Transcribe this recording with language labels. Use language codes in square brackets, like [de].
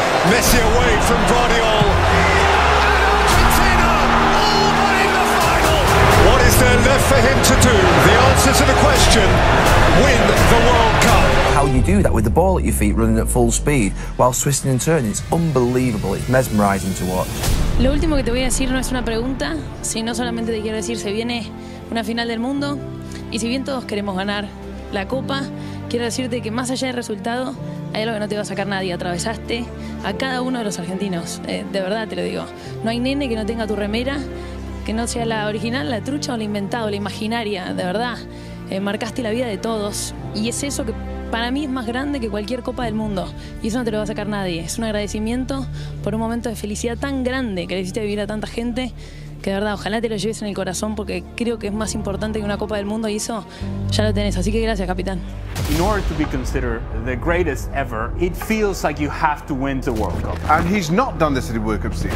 [en] Messi away from Guardiol. And Argentina all but in the final. What is there left for him to do? The answer to the question, win the World Cup. How you do that with the ball at your feet running at full speed while twisting and turning, it's unbelievable. It's mesmerizing to watch. [es] Lo último que te voy a decir no es una pregunta, sino solamente te quiero decir, se viene una final del mundo. Y si bien todos queremos ganar la Copa, quiero decirte que más allá del resultado, hay algo que no te va a sacar nadie. Atravesaste a cada uno de los argentinos. De verdad te lo digo. No hay nene que no tenga tu remera, que no sea la original, la trucha o la inventada, la imaginaria. De verdad, marcaste la vida de todos. Y es eso que para mí es más grande que cualquier copa del mundo. Y eso no te lo va a sacar nadie. Es un agradecimiento por un momento de felicidad tan grande que le hiciste vivir a tanta gente. Que de verdad, ojalá te lo lleves en el corazón, porque creo que es más importante que una Copa del Mundo, y eso ya lo tenés. Así que gracias, capitán. [en] In order to be considered the greatest ever, it feels like you have to win the World Cup. And he's not done this at the World Cup scene.